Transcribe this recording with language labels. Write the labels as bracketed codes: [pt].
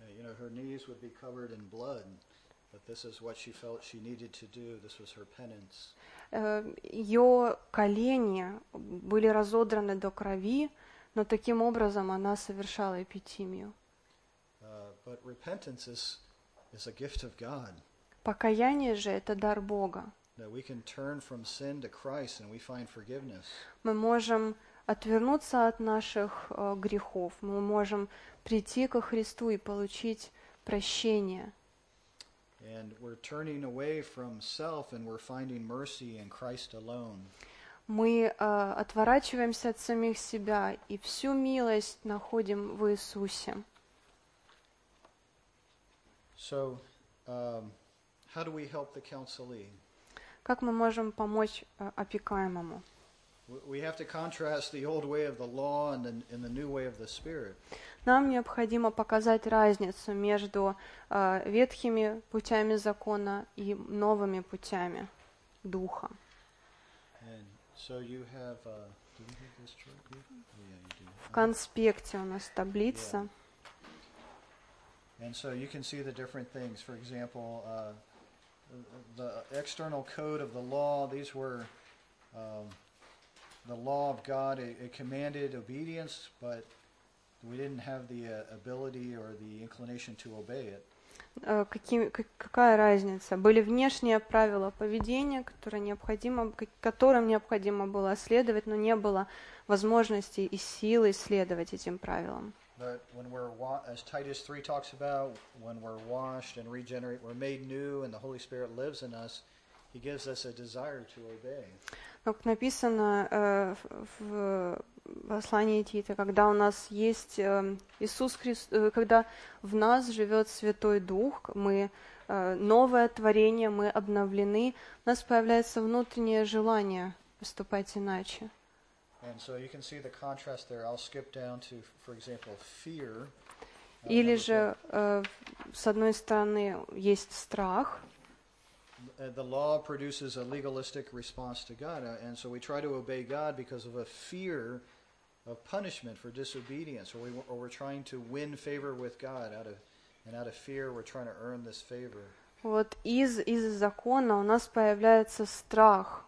[en] You know, her knees would be covered in blood, but this is what she felt she needed to do. This was her penance. [ru] Ее колени были разодраны до крови, но таким образом она совершала эпитимию. [en] But repentance is a gift of God. [ru] Покаяние же – это дар Бога. [en] That we can turn from sin to Christ and we find forgiveness. [ru] Мы можем отвернуться от наших грехов, мы можем прийти ко Христу и получить прощение. [en] And we're turning away from self and we're finding mercy in Christ alone. [ru] Мы отворачиваемся от самих себя и всю милость находим в Иисусе. [en] So, how do we help the counselee? [ru] Как мы можем помочь опекаемому? [en] We have to contrast the old way of the law and the new way of the Spirit. [ru] Нам необходимо показать разницу между ветхими путями закона и новыми путями Духа. [en] And so you have, do we have this chart here? Oh, yeah, you do. [ru] В конспекте у нас таблица. [en] Yeah. And so you can see the different things. For example, the external code of the law, these were the law of God, it commanded obedience, but we didn't have the ability or the inclination to obey it. [ru] Какая разница? Были внешние правила поведения, которым необходимо было следовать, но не было возможности и силы следовать этим правилам. [en] But when we're as Titus 3 talks about, when we're washed and regenerate, we're made new and the Holy Spirit lives in us, he gives us a desire to obey. [ru] Как написано в послании Тита, когда у нас есть Иисус Христ, когда в нас живет Святой Дух, мы новое творение, мы обновлены, у нас появляется внутреннее желание поступать иначе. [en] And so you can see the contrast there. I'll skip down to, for example, fear. [ru] Или же с одной стороны есть страх. [en] The law produces a legalistic response to God, and so we try to obey God because of a fear of punishment for disobedience, or we're trying to win favor with God out of fear, we're trying to earn this favor. [ru] Вот из закона у нас появляется страх.